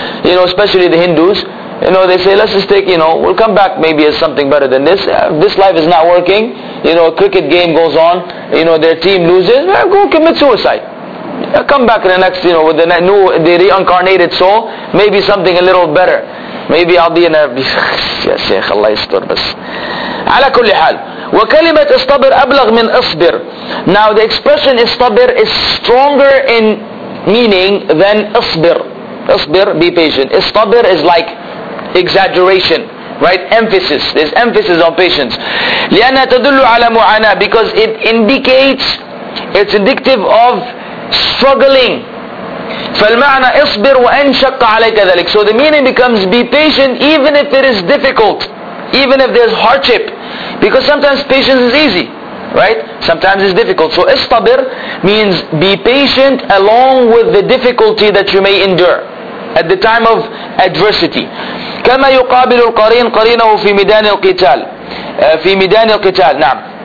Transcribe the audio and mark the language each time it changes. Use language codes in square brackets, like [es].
[en] You know, especially the Hindus. You know, they say, let's just take, you know, we'll come back maybe as something better than this. This life is not working. You know, a cricket game goes on. You know, their team loses. Go commit suicide. Come back in the next, you know, with the reincarnated soul. Maybe something a little better. Maybe I'll be in a... Ya Shaykh, Allah yastur bas. [ar] على كل حال. وكلمة استبر أبلغ من اصبر. [en] Now, the expression استبر is stronger in meaning than اصبر. اصبر, be patient. استبر is like... exaggeration, right? Emphasis. There's emphasis on patience. [ar] لِأَنَّا تَدُلُّ عَلَى مُعَانَى [en] Because it indicates, it's indicative of struggling. [ar] فَالْمَعْنَى اصْبِرْ وَأَنْ شَقَّ عَلَيْكَ ذَلِكَ [en] So the meaning becomes, be patient even if it is difficult, even if there's hardship. Because sometimes patience is easy, right? Sometimes it's difficult. So اصْطَبِرْ means be patient along with the difficulty that you may endure at the time of adversity. [ar] كما يقابل القرين قرينه في ميدان القتال في ميدان القتال نعم